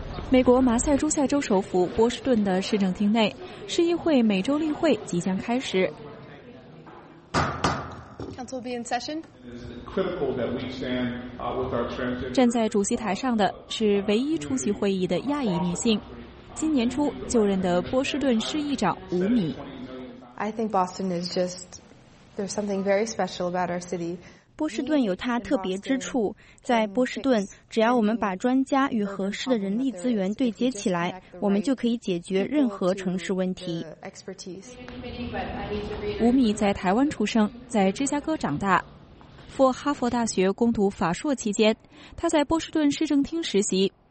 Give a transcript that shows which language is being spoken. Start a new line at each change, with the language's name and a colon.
Chinese: 美国马赛诸塞州首府波士顿的市政厅内，市议会每周例会即将开始。
English: Council be in session. Critical that we stand with our transgender.
Chinese: 站在主席台上的是唯一出席会议的亚裔女性，今年初就任的波士顿市议长吴米。
English: I think Boston is just there's something very special about our city.
Chinese: 波士顿有它特别之处，在波士顿，只要我们把专家与合适的人力资源对接起来，我们就可以解决任何城市问题。吴米在台湾出生，在芝加哥长大，赴哈佛大学攻读法硕期间，他在波士顿市政厅实习。